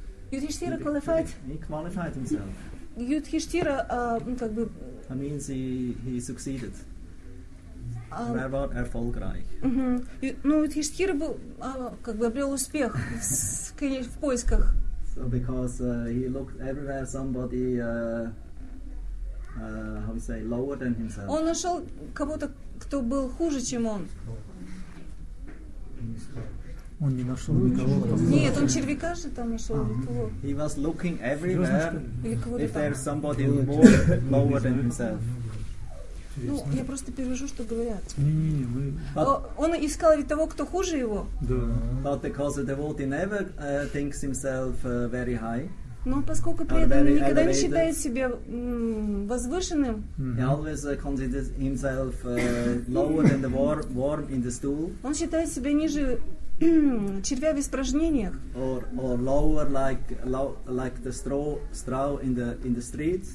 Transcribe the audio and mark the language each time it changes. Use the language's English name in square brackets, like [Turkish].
[English] Yudhishthira qualified? He qualified himself. [Russian] Yudhishthira, как бы... [English] That means he succeeded. [German] Рабат эрфолграйх. [Russian] Ну, Юдхиштхир был, как бы, обрел успех в поисках. [English] So because he looked everywhere somebody, how you say, lower than himself. [Russian] Он нашел кого-то, кто был хуже, чем он. Он не нашел никого. Нет, он червяка же там нашел. [English] He was looking everywhere if there's somebody more lower than himself. [Russian] Ну, я просто перевожу, что говорят. Не-не-не, мы... Он искал ведь того, кто хуже его. Да. [English] But because the devotee never thinks himself very high. [Russian] Но поскольку преданный никогда elevated. Не считает себя возвышенным. Mm-hmm. [English] He always considers himself lower than the worm in the stool. [Russian] Он считает себя ниже червя в испражнениях. [English] Or lower like the straw in the street.